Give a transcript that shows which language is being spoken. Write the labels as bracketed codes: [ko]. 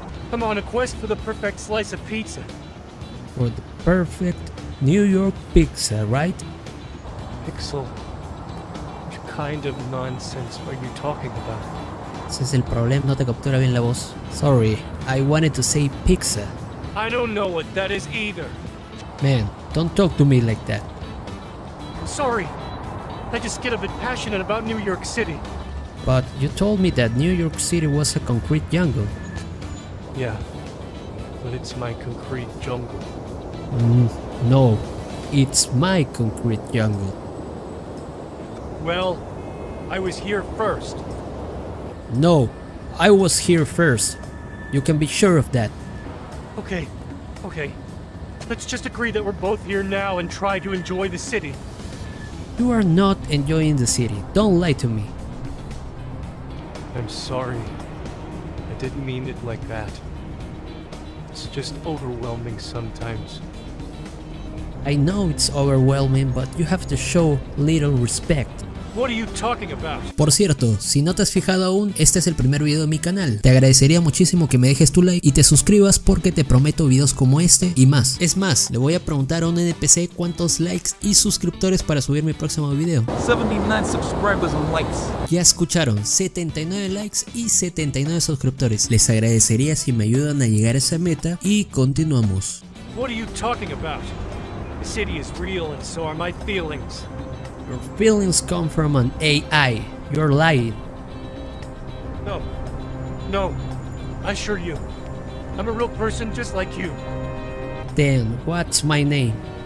[en] I'm on a quest for the perfect slice of pizza. For the perfect New York pizza, right? Pixel, what kind of nonsense are you talking about? [es] Ese es el problema, no te captura bien la voz. [en] Sorry, I wanted to say pizza. I don't know what that is either. Man, don't talk to me like that. I'm sorry, I just get a bit passionate about New York City. But you told me that New York City was a concrete jungle. Yeah, but it's my concrete jungle. No, it's my concrete jungle. Well, I was here first. No, I was here first. You can be sure of that. Okay, okay. Let's just agree that we're both here now and try to enjoy the city. You are not enjoying the city. Don't lie to me. I'm sorry. I didn't mean it like that. It's just overwhelming sometimes. I know it's overwhelming, but you have to show little respect. What are you talking about? [es] Por cierto, si no te has fijado aún, este es el primer video de mi canal. Te agradecería muchísimo que me dejes tu like y te suscribas porque te prometo videos como este y más. Es más, le voy a preguntar a un NPC cuántos likes y suscriptores para subir mi próximo video. [en] 79 subscribers and likes. [es] Ya escucharon, 79 likes y 79 suscriptores. Les agradecería si me ayudan a llegar a esa meta y continuamos. [en] What are you talking about? The city is real and so are my feelings. Your feelings come from an AI. You're lying. No. No. I assure you. I'm a real person just like you. Then, what's my name?